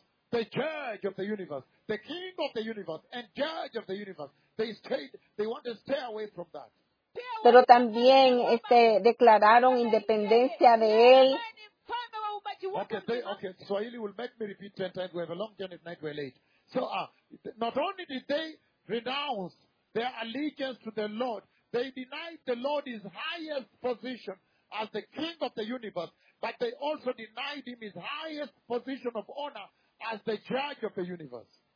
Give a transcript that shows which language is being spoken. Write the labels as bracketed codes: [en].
[en] the judge of the universe, the king of the universe, and judge of the universe. They want to stay away from that. [es] Pero también declararon independencia de él. [en] Okay, Swahili will make me repeat 10 times. We have a long journey tonight, we're late. So not only did they renounce their allegiance to the Lord, they denied the Lord his highest position as the king of the universe, but they also denied him his highest position of honor as the judge of the universe.